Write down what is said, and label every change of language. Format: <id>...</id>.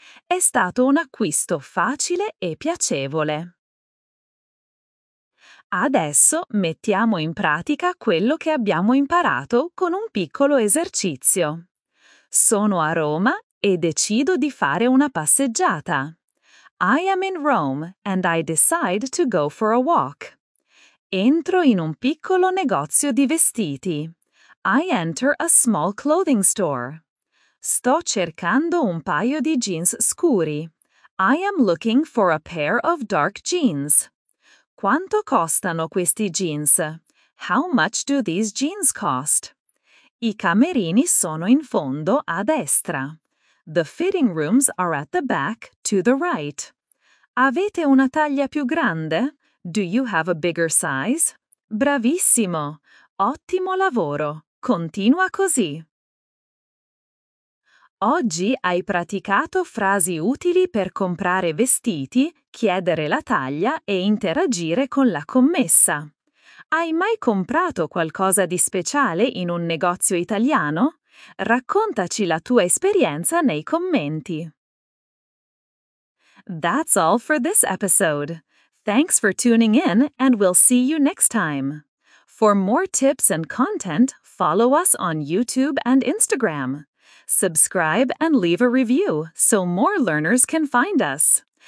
<it>È stato un acquisto facile e piacevole. Adesso mettiamo in pratica quello che abbiamo imparato con un piccolo esercizio. Sono a Roma e decido di fare una passeggiata.</it> <en>I am in Rome and I decide to go for a walk.</en> <it>Entro in un piccolo negozio di vestiti.</it> <en>I enter a small clothing store.</en> <it>Sto cercando un paio di jeans scuri.</it> <en>I am looking for a pair of dark jeans.</en> <it>Quanto costano questi jeans?</it> <en>How much do these jeans cost?</en> <it>I camerini sono in fondo, a destra.</it> <en>The fitting rooms are at the back, to the right.</en> <it>Avete una taglia più grande?</it> <en>Do you have a bigger size?</en> <it>Bravissimo! Ottimo lavoro! Continua così! Oggi hai praticato frasi utili per comprare vestiti, chiedere la taglia e interagire con la commessa. Hai mai comprato qualcosa di speciale in un negozio italiano? Raccontaci la tua esperienza nei commenti.</it> <en>That's all for this episode. Thanks for tuning in and we'll see you next time. For more tips and content, follow us on YouTube and Instagram. Subscribe and leave a review so more learners can find us.</en>